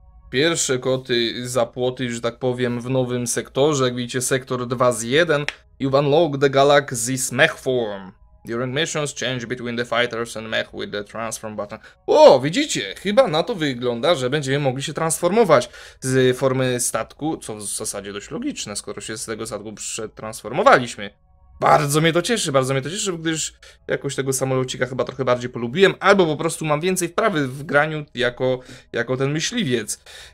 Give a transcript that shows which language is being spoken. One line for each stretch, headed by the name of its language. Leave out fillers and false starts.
Polish: Pierwsze koty za płoty, że tak powiem, w nowym sektorze. Jak widzicie, sektor 2 z 1.
English: You've unlocked the galaxy's mech form. During missions, change between the fighters and mech with the transform button.
Polish: O, widzicie, chyba na to wygląda, że będziemy mogli się transformować z formy statku, co w zasadzie dość logiczne, skoro się z tego statku przetransformowaliśmy. Bardzo mnie to cieszy, gdyż jakoś tego samolocika chyba trochę bardziej polubiłem, albo po prostu mam więcej wprawy w graniu jako ten myśliwiec.